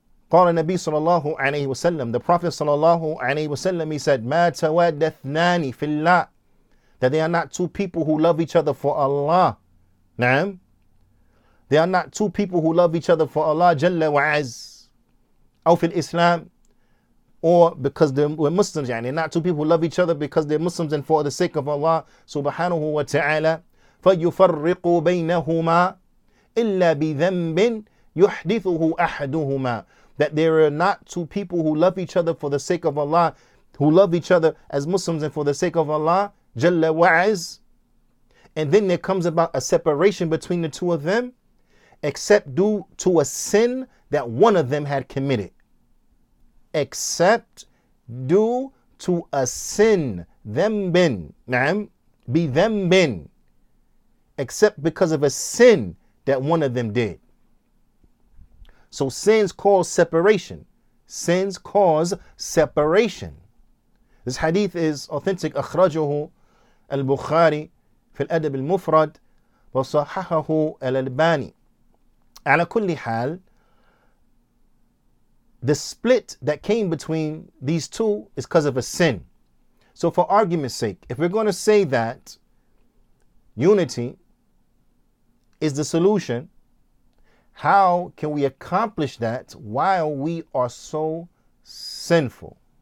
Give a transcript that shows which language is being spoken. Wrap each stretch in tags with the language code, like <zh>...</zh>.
<ar>قال النبي صلى الله عليه وسلم,</ar> <en>the Prophet صلى الله عليه وسلم, he said,</en> <ar>ما تودثناني في الله,</ar> <en>that they are not two people who love each other for Allah.</en> <ar>نعم.</ar> <en>They are not two people who love each other for Allah جل وعز,</en> <ar>أو في الإسلام,</ar> <en>or because they're Muslims. يعني not two people who love each other because they're Muslims and for the sake of Allah سبحانه وتعالى.</en> <ar>فيفرق بينهما إلا بذنب يحدثه أحدهما.</ar> <en>That there are not two people who love each other for the sake of Allah, who love each other as Muslims and for the sake of Allah جل وعز, and then there comes about a separation between the two of them, except due to a sin that one of them had committed. Except due to a sin.</en> <ar>ذنبن. نعم. بذنبن.</ar> <en>Except because of a sin that one of them did. So sins cause separation. Sins cause separation. This hadith is authentic.</en> <ar>أخرجه البخاري في الأدب المفرد وصححه الألباني. على كل حال,</ar> <en>the split that came between these two is because of a sin. So for argument's sake, if we're going to say that unity is the solution, how can we accomplish that while we are so sinful?</en>